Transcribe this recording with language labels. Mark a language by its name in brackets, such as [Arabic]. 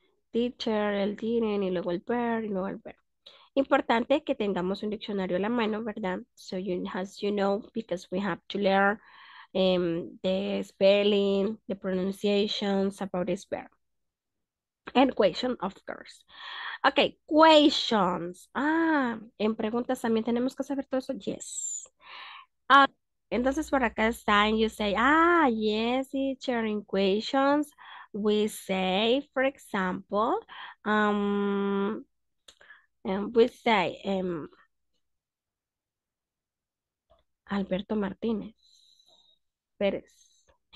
[Spanish] Teacher, el didn't, y luego el verb, y luego el verb. Importante que tengamos un diccionario a la mano, ¿verdad? [English] So you, as you know, because we have to learn the spelling, the pronunciations about this verb. And question, of course. Okay, questions. [Spanish] Ah, en preguntas también tenemos que saber todo eso. [English] Yes. [Spanish] Entonces por acá está, [English] and you say, ah, yes, teacher, in questions, we say, for example, we say, Alberto Martínez. Pérez.